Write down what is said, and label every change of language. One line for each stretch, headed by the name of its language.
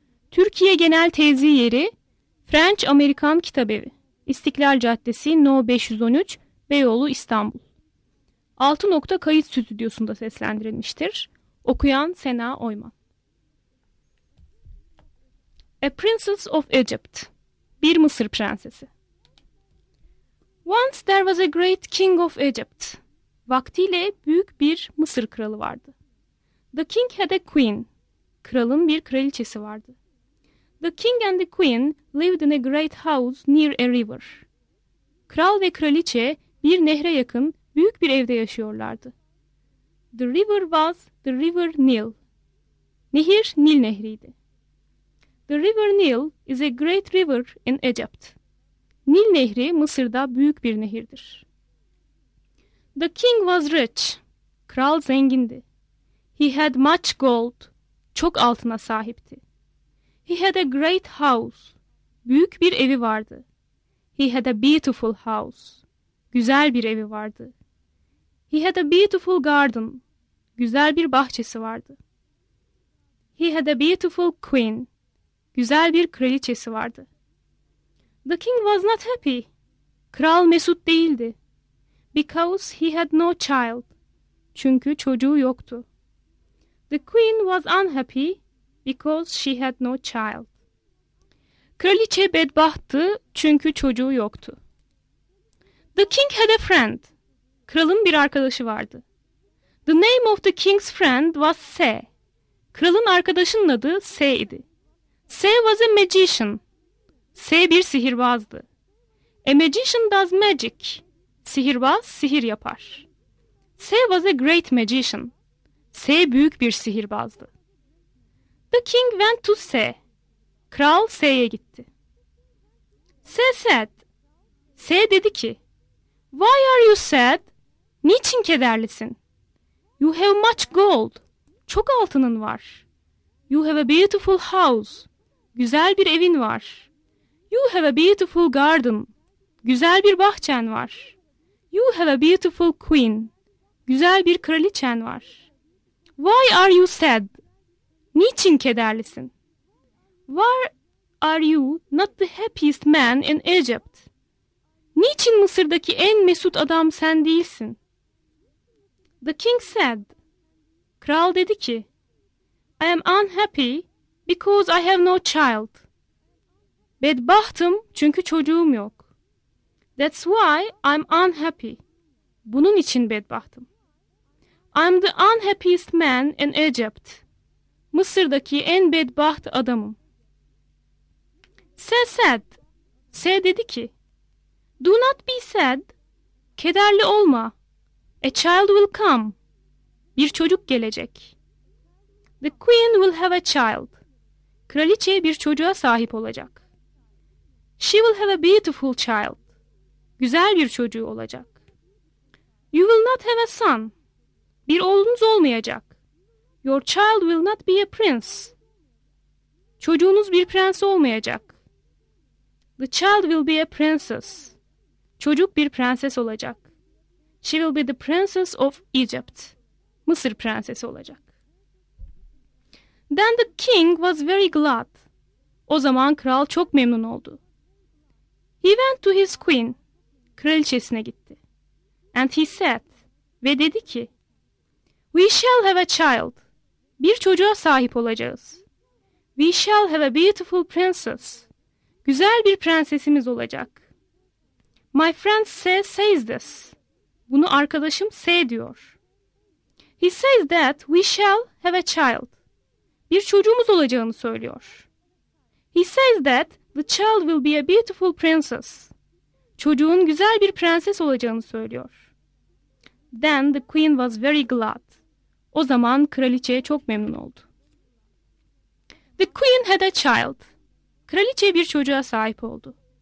Turkish: Türkiye Genel Tevzi Yeri, French American Kitabevi, İstiklal Caddesi No 513, Beyoğlu, İstanbul. Altı Nokta Kayıt Stüdyosu'nda seslendirilmiştir. Okuyan Sena Oyman.
English: A Princess of Egypt, Bir Mısır Prensesi. Once there was a great king of Egypt.
Turkish: Vaktiyle büyük bir Mısır kralı vardı. The king had a queen. Kralın bir kraliçesi vardı.
English: The king and the queen lived in a great house near a river.
Turkish: Kral ve kraliçe bir nehre yakın büyük bir evde yaşıyorlardı.
English: The river was the river Nile. Nehir Nil nehriydi. The river Nile is a great river in Egypt.
Turkish: Nil nehri Mısır'da büyük bir nehirdir.
English: The king was rich. Kral zengindi. He had much gold. Çok altına sahipti. He had a great house.
Turkish: Büyük bir evi vardı.
English: He had a beautiful house. Güzel bir evi vardı. He had a beautiful garden.
Turkish: Güzel bir bahçesi vardı.
English: He had a beautiful queen.
Turkish: Güzel bir kraliçesi vardı.
English: The king was not happy. Kral mesut değildi. Because he had no child. Çünkü çocuğu yoktu. The queen was unhappy because she had no child.
Turkish: Kraliçe bedbahttı çünkü çocuğu yoktu. The king had a friend. Kralın bir arkadaşı vardı.
English: The name of the king's friend was Se.
Turkish: Kralın arkadaşının adı Se idi. Se was a magician.
English: Se bir sihirbazdı. A magician does magic. Sihirbaz sihir yapar. Se was a great magician.
Turkish: Se büyük bir sihirbazdı.
English: The king went to Se. Kral Se'ye gitti. Se said.
Turkish: Se dedi ki, Why are you sad? Niçin kederlisin?
English: You have much gold. Çok altının var. You have a beautiful house. Güzel bir evin var. You have a beautiful garden. Güzel bir bahçen var. You have a beautiful queen. Güzel bir kraliçen var. Why are you sad? Niçin kederlisin? Why are you not the happiest man in Egypt?
Turkish: Niçin Mısır'daki en mesut adam sen değilsin? The king said.
English: Kral dedi ki, I am unhappy because I have no child. Bedbahtım çünkü çocuğum yok. That's why I'm unhappy. Bunun için bedbahtım. I'm the unhappiest man in Egypt.
Turkish: Mısır'daki en bedbaht adamım.
English: Se said. Se dedi ki, Do not be sad. Kederli olma. A child will come. Bir çocuk gelecek. The queen will have a child.
Turkish: Kraliçe bir çocuğa sahip olacak.
English: She will have a beautiful child. Güzel bir çocuğu olacak. You will not have a son. Bir oğlunuz olmayacak. Your child will not be a prince.
Turkish: Çocuğunuz bir prens olmayacak.
English: The child will be a princess.
Turkish: Çocuk bir prenses olacak.
English: She will be the princess of Egypt. Mısır prensesi olacak. Then the king was very glad.
Turkish: O zaman kral çok memnun oldu.
English: He went to his queen. Kraliçesine gitti. And he said. Ve dedi ki. We shall have a child.
Turkish: Bir çocuğa sahip olacağız.
English: We shall have a beautiful princess. Güzel bir prensesimiz olacak. My friend Say says this.
Turkish: Bunu arkadaşım Say diyor.
English: He says that we shall have a child.
Turkish: Bir çocuğumuz olacağını söylüyor.
English: He says that the child will be a beautiful princess.
Turkish: Çocuğun güzel bir prenses olacağını söylüyor.
English: Then the queen was very glad.
Turkish: O zaman kraliçe çok memnun oldu. The queen had a child. Kraliçe bir çocuğa sahip oldu.